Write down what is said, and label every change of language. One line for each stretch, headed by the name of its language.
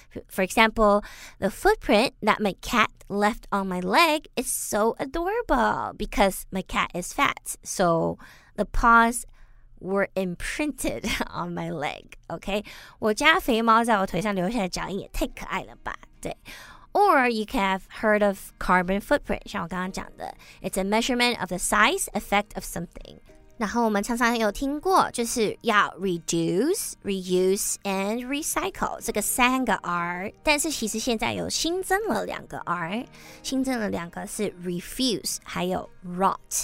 English: For example, the footprint that my cat left on my leg is so adorable because my cat is fat, so the paws were imprinted on my leg, okay?
Chinese: 我家肥猫在我腿上留下的脚印也太可爱了吧，对。
English: Or you can have heard of carbon footprint,
Chinese: 像我刚刚讲的。
English: It's a measurement of the size, effect of something.
Chinese: 然后我们常常有听过，就是要
English: reduce, reuse, and recycle
Chinese: 这个三个 R， 但是其实现在有新增了两个 R， 新增了两个是 refuse 还有 rot，